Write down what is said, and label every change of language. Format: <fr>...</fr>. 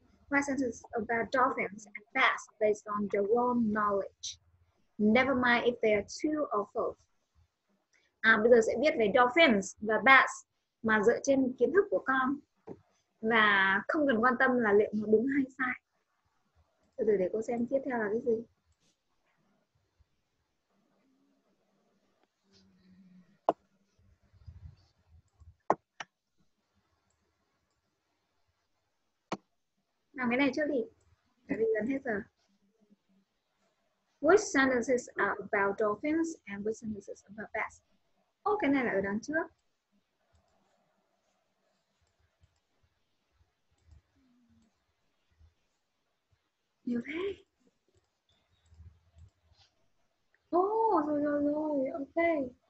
<en>My sentence about dolphins and bats based on your own knowledge. Never mind if they are true or false.</en> <vi>À, bây giờ sẽ viết về dolphins và bats mà dựa trên kiến thức của con. Và không cần quan tâm là liệu nó đúng hay sai. Từ từ để cô xem tiếp theo là cái gì. Làm cái này trước đi. Tại vì gần hết giờ.</vi> <en>Which sentences are about dolphins and which sentences are about bats?</en> <vi>Oh, cái này là ở đằng trước. Nhiều thế. Oh, rồi, ok.</vi>